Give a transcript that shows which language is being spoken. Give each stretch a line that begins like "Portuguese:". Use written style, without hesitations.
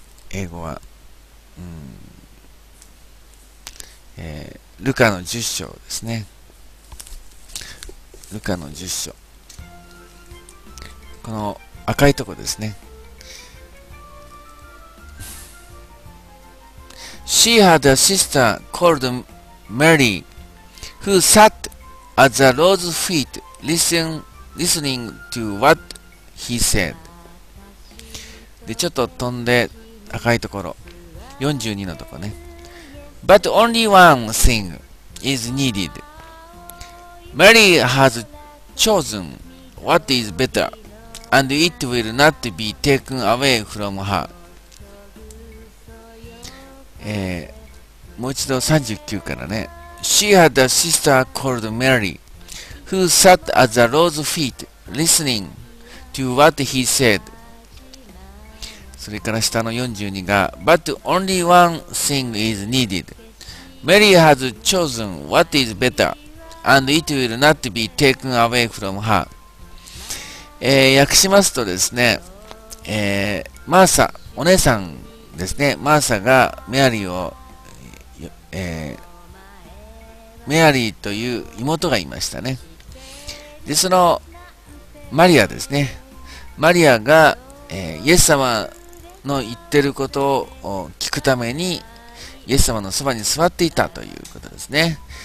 Japanese: 英語は、ルカの十章ですね。ルカの十章、この赤いとこですね。
English: She had a sister called Mary, who sat at the Lord's feet, listening to what he said.
Japanese: で、ちょっと飛んで赤いところ、42のところね。
English: But only one thing is needed. Mary has chosen what is better, and it will not be taken away from her.
Japanese: もう一度39からね。
English: She had a sister called Mary, who sat at the Lord's feet, listening to what he said.
Japanese: それから下の42が、
English: But only one thing is needed. Mary has chosen what is better, and it will not be taken away from her.
Japanese: 訳しますとですね、マーサ、お姉さんですね、マーサがメアリーを、メアリーという妹がいましたね。で、そのマリアですね、マリアが、イエス様の言ってることを聞くためにイエス様のそばに座っていたということですね。